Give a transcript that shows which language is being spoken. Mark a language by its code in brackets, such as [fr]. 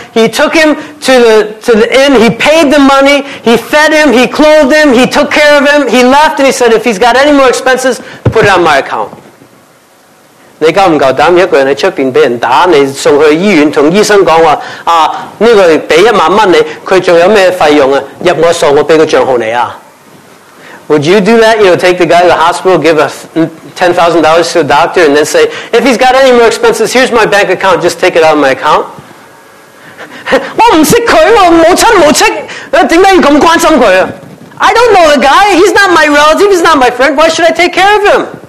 [en] He took him to the inn. He paid the money. He fed him. He clothed him. He took care of him. He left and he said, if he's got any more expenses, put it on my account. [yue] 你敢不敢胆一个人在外面被人打，你送去医院同医生讲话，啊，这个给一万蚊你，他仲有咩费用啊，入我数，我给个账号你啊。 [en] Would you do that? You know, take the guy to the hospital, give $10,000 to a doctor, and then say, if he's got any more expenses, here's my bank account, just take it out of my account. [yue] 我不识他，我母亲母戚，点解要咁关心佢啊？ [en] I don't know the guy, he's not my relative, he's not my friend, why should I take care of him?